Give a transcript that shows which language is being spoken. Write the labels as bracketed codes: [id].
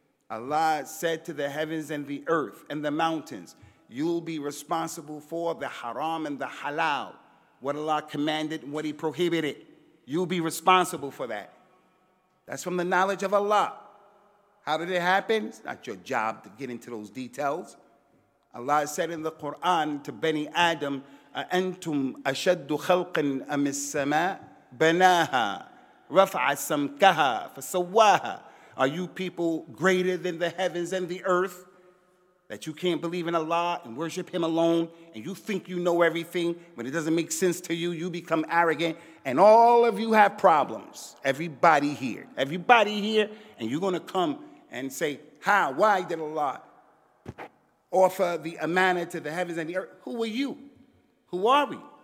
[en] Allah said to the heavens and the earth and the mountains, you'll be responsible for the haram and the halal, what Allah commanded and what he prohibited. You'll be responsible for that. That's from the knowledge of Allah. How did it happen? It's not your job to get into those details. Allah said in the Quran to Bani Adam, [ar] أَأَنْتُمْ أَشَدُّ خَلْقٍ أَمِ السَّمَاءِ بَنَاهَا رَفْعَ سَمْكَهَا فَسَوَّاهَا. [en] Are you people greater than the heavens and the earth that you can't believe in Allah and worship him alone, and you think you know everything, but it doesn't make sense to you, you become arrogant, and all of you have problems, everybody here, and you're going to come and say, how, why did Allah offer the amanah to the heavens and the earth? Who are you? Who are we?